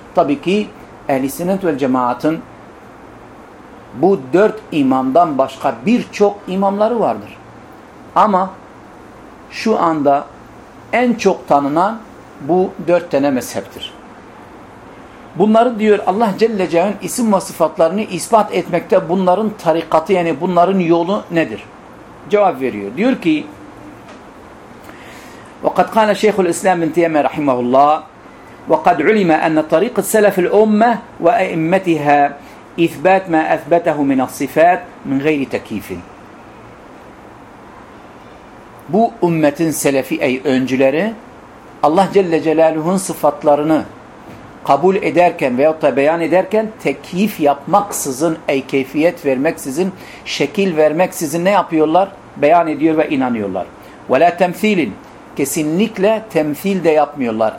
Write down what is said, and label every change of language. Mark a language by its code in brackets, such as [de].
[tr] Tabii ki Ehl-i Sünnet ve Cemaat'ın bu dört imamdan başka birçok imamları vardır. Ama şu anda en çok tanınan bu dört tane mezheptir. Bunları diyor Allah Celle Celaluhu'nun isim ve sıfatlarını ispat etmekte bunların tarikatı yani bunların yolu nedir? Cevap veriyor. Diyor ki [ar] وَقَدْ قَالَ شَيْخُ الْاِسْلَامِ بِنْ تِيَمَا رَحِمَهُ اللّٰهِ وَقَدْ عُلِمَا اَنَّ طَرِيقِ السَّلَفِ الْاُمَّةِ وَاِمَّتِهَا İthbat ma athbatahu min as-sifat min gayri takyif. [tr] Bu ümmetin selefi ey öncüleri Allah Celle Celaluhu'nun sıfatlarını kabul ederken veyahut da beyan ederken tekyif yapmaksızın ey keyfiyet vermeksizin şekil vermeksizin ne yapıyorlar? Beyan ediyor ve inanıyorlar. Ve la temsilin kesinlikle temsil de yapmıyorlar.